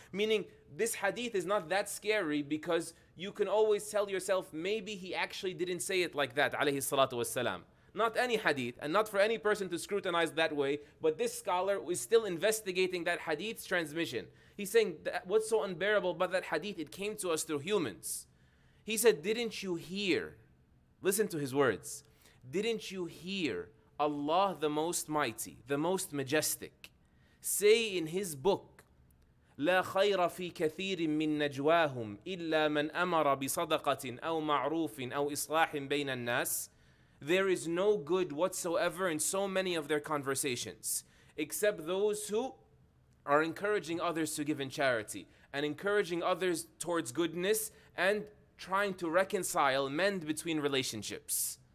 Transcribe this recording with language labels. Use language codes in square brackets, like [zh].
[en] Meaning, this hadith is not that scary because you can always tell yourself, maybe he actually didn't say it like that, [ar] alayhi salatu wasalam. [en] Not any hadith, and not for any person to scrutinize that way, but this scholar is still investigating that hadith's transmission. He's saying, what's so unbearable about that hadith? It came to us through humans. He said, didn't you hear? Listen to his words. Didn't you hear Allah the Most Mighty, the Most Majestic, say in his book, [ar] لا خير في كثير من نجواهم إلا من أمر بصدقة أو معروف أو إصلاح بين الناس. [en] There is no good whatsoever in so many of their conversations, except those who are encouraging others to give in charity and encouraging others towards goodness and trying to reconcile, mend between relationships.